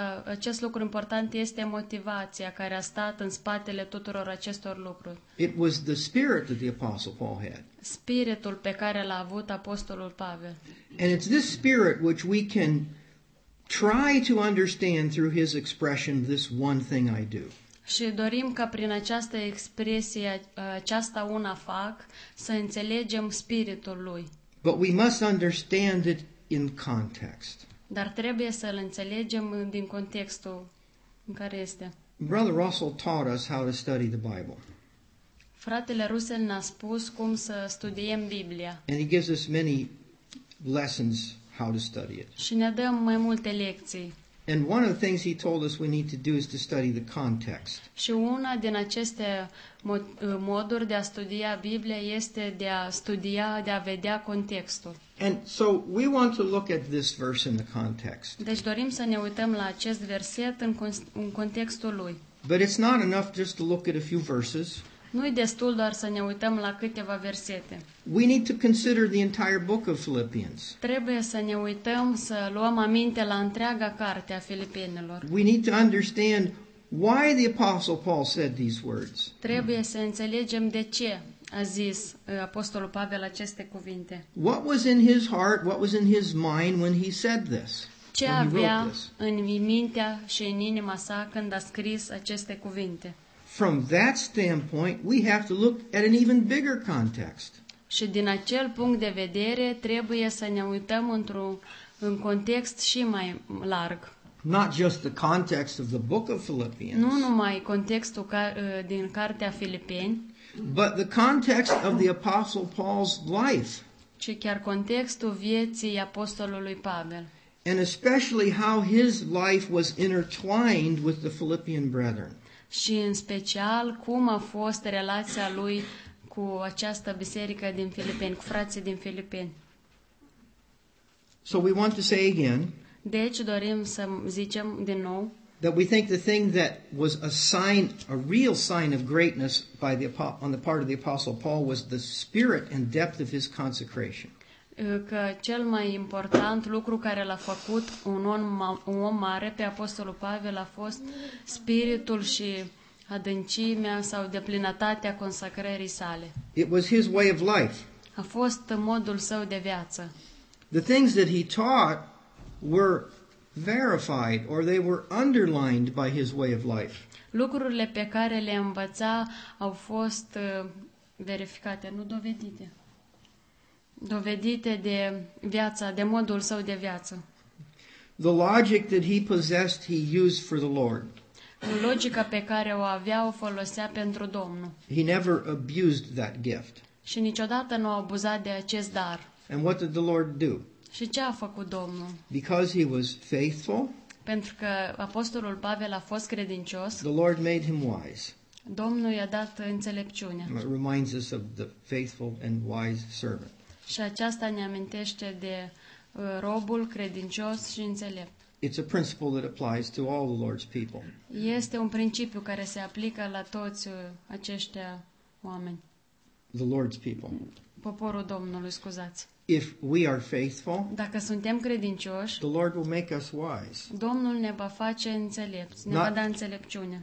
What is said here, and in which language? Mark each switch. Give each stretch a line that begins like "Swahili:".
Romanian: Acest lucru important este motivația care a stat în spatele tuturor acestor lucruri.
English: It was the spirit that the Apostle Paul had.
Romanian: Spiritul pe care l-a avut Apostolul Pavel.
English: And it's this spirit which we can try to understand through his expression, this one thing I do.
Romanian: Și dorim ca prin această expresie, aceasta una fac, să înțelegem spiritul lui.
English: But we must understand it in context.
Romanian: Dar trebuie să-l înțelegem din contextul în care este.
English: Brother Russell taught us how to study the Bible.
Romanian: Fratele Russell ne-a spus cum să studiem Biblia.
English: And he gives us many lessons how to study it.
Romanian: Și ne dă mai multe lecții.
English: And one of the things he told us we need to do is to study the context.
Romanian: Și una din aceste moduri de a studia Biblia este de a studia, de a vedea contextul.
English: And so we want to look at this verse in the context.
Romanian: Deci dorim să ne uităm la acest verset în contextul lui.
English: But it's not enough just to look at a few verses.
Romanian: Nu-i destul doar să ne uităm la câteva versete.
English: We need to consider the entire book of Philippians.
Romanian: Trebuie să ne uităm, să luăm aminte la întreaga carte a Filipenilor.
English: We need to understand why the Apostle Paul said these words.
Romanian: Trebuie să înțelegem de ce a zis Apostolul Pavel aceste cuvinte.
English: What was in his heart, what was in his mind when he said this?
Romanian: Ce avea în mintea și în inima sa când a scris aceste cuvinte?
English: From that standpoint, we have to look at an even bigger context.
Romanian: Și din acel punct de vedere, trebuie să ne uităm într-un context și mai larg.
English: Not just the context of the book of Philippians.
Romanian: Nu numai contextul din cartea Filipeni.
English: But the context of the Apostle Paul's life.
Romanian: Ci chiar contextul vieții Apostolului Pavel.
English: And especially how his life was intertwined with the Philippian brethren.
Romanian: și în special cum a fost relația lui cu această biserică din Filipeni, cu frații din Filipeni.
English: So we want to say again.
Romanian: Deci dorim să zicem din nou.
English: That we think the thing that was a sign, a real sign of greatness by the on the part of the apostle Paul was the spirit and depth of his consecration.
Romanian: Că cel mai important lucru care l-a făcut un om mare pe apostolul Pavel a fost spiritul și adâncimea sau deplinătatea consacrării sale.
English: It was his way of life.
Romanian: A fost modul său de viață.
English: The things that he taught were verified or they were underlined by his way of life.
Romanian: Lucrurile pe care le învăța au fost verificate, nu dovedite. Dovedite de viața, de modul său de viață.
English: The logic that he possessed, he used for the Lord.
Romanian: Logica pe care o avea o folosea pentru Domnul.
English: He never abused that gift.
Romanian: Și niciodată nu a abuzat de acest dar.
English: And what did the Lord do?
Romanian: Și ce a făcut Domnul?
English: Because he was faithful.
Romanian: Pentru că apostolul Pavel a fost credincios.
English: The Lord made him wise.
Romanian: Domnul i-a dat înțelepciune.
English: It reminds us of the faithful and wise servant.
Romanian: Și aceasta ne amintește de robul credincios și înțelept.
English: It's a principle that applies to all the Lord's people.
Romanian: Este un principiu care se aplică la toți aceștia oameni.
English: The Lord's people.
Romanian: Poporul Domnului, scuzați.
English: If we are faithful,
Romanian: dacă suntem credincioși,
English: the Lord will make us wise.
Romanian: Domnul ne va face înțelepți, ne va da înțelepciune.